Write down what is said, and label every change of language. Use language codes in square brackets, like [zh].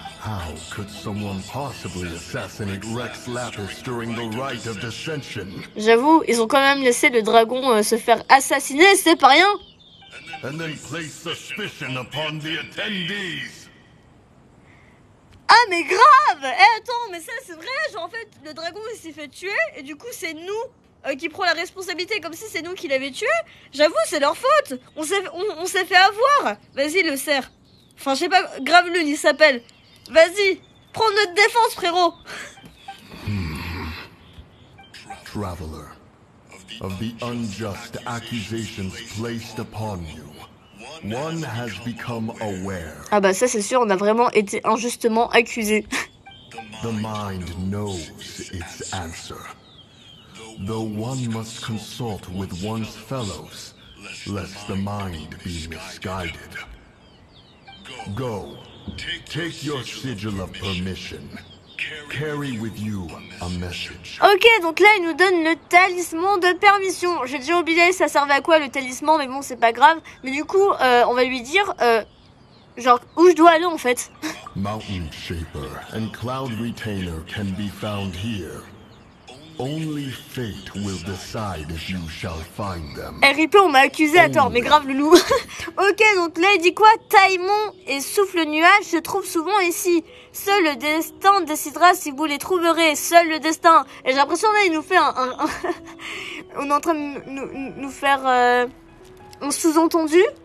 [en] How could someone possibly assassinate Rex Lapis during the rite of dissension? [fr] J'avoue, ils ont quand même laissé le dragon se faire assassiner, c'est pas rien. [en] And then place suspicion upon the attendees. [fr] Ah mais grave! Eh attends, mais ça c'est vrai, genre en fait le dragon il s'est fait tuer et du coup c'est nous qui prend la responsabilité comme si c'est nous qui l'avait tué. J'avoue, c'est leur faute. On s'est fait avoir. Vas-y le cerf. Enfin je sais pas, grave lune il s'appelle. Vas-y, prends notre défense frérot. [en] Traveler. Of the unjust accusations placed upon you, one has become aware. [fr] Ah bah ça c'est sûr, on a vraiment été injustement accusé. [en] The mind knows its answer, though one must consult with one's fellows, lest the mind be misguided. Go, take your sigil of permission. Carry with you a message. [fr] Ok, donc là il nous donne le talisman de permission. J'ai déjà oublié ça servait à quoi le talisman, mais bon c'est pas grave. Mais du coup on va lui dire genre où je dois aller en fait. [en] Mountain Shaper and Cloud Retainer can be found here. Only fate will decide if you shall find them. [fr] RIP, on m'a accusé à tort, mais grave le loup. Ok, donc là il dit quoi? Taimon et Souffle Nuage se trouvent souvent ici. Seul le destin décidera si vous les trouverez. Seul le destin. Et j'ai l'impression là il nous fait un... on est en train de nous faire un sous-entendu.